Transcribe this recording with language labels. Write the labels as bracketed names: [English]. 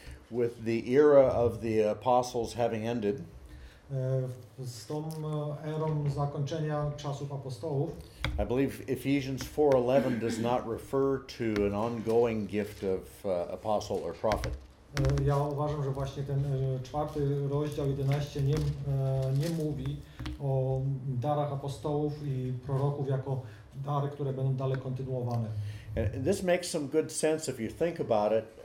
[English] With the era of the apostles having ended, [Polish] z tą erą zakończenia czasów apostołów. [English] I believe Ephesians 4:11 does not refer to an ongoing gift of apostle or prophet. [Polish] Ja uważam, że właśnie ten czwarty rozdział 11 nie mówi o darach apostołów i proroków jako dary, które będą dalej kontynuowane. [English] And this makes some good sense if you think about it.